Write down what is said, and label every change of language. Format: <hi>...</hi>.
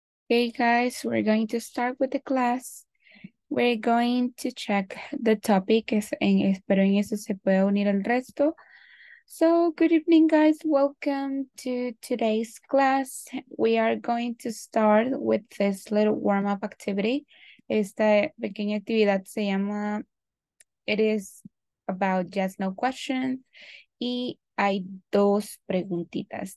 <en>Okay, guys, we're going to start with the class. We're going to check the topic.</en> <es>Espero en eso se pueda unir al resto.</es> <en>So, good evening, guys. Welcome to today's class. We are going to start with this little warm-up activity.</en> <es>Esta pequeña actividad se llama,</es> <en>it is about just no questions.</en> <es>Y hay dos preguntitas.</es>